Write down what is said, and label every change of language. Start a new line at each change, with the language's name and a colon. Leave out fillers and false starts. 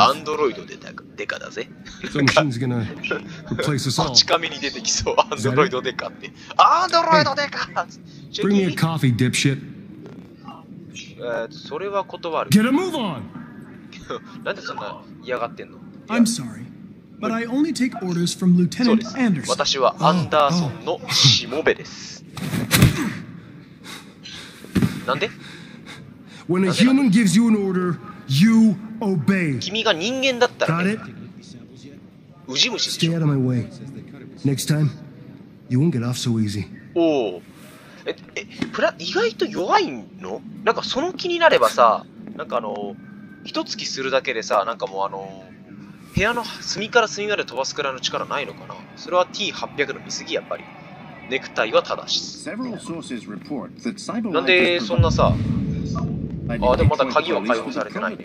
Japanese: アンドロイドでたか、デカだぜ。
English: So machine's gonna replace us all。
Japanese: こっち紙に出てきそう。アンドロイドデカって。アンドロイドデカ。
English: Bring me a coffee, dipshit。
Japanese: それは断る。
English: Get a move on。
Japanese: なんでそんな嫌がってんの
English: ？I'm sorry, but I only take orders from Lieutenant Anderson。
Japanese: 私はアンダーソンのしもべです。なんで
English: ？When a human gives you an order。 You obey.
Japanese: 君が人間だったらね。ウジ虫。 Stay out of my way. Next time, you won't get off so easy. おお。プラ意外と弱いの？なんかその気になればさ、なんか一月するだけでさ、なんかもう部屋の隅から隅まで飛ばすくらいの力ないのかな？それは T800 の見過ぎやっぱり。ネクタイは正しい。なんでそんなさ。ああでもまだ鍵は解放されてないね。